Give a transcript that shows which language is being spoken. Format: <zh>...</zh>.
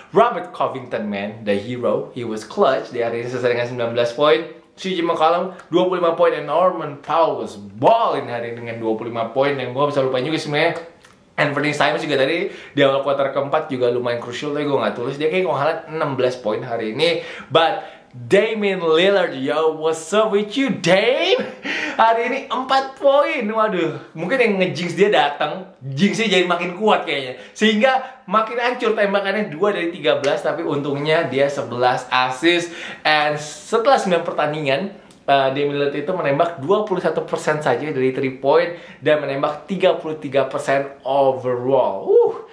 <en>Robert Covington man, the hero, he was clutch.</en> <id>Di hari ini selesai dengan 19 poin. CJ McCollum 25 poin.</id> <en>And Norman Powell was balling</en> <id>hari ini dengan 25 poin. Yang gue bisa lupa juga sebenarnya. Anthony Simons juga tadi di awal quarter keempat juga lumayan crucial. Tapi gue gak tulis. Dia kayak ngalah 16 poin hari ini.</id> <en>But Damian Lillard, yo, what's up with you, Dame?</en> <id>Hari ini 4 poin, waduh. Mungkin yang nge-jinx dia datang, jinxnya jadi makin kuat kayaknya. Sehingga makin hancur tembakannya, 2 dari 13, tapi untungnya dia 11 assist. And setelah 9 pertandingan, Damian Lillard itu menembak 21% saja dari 3 point, dan menembak 33% overall.</id>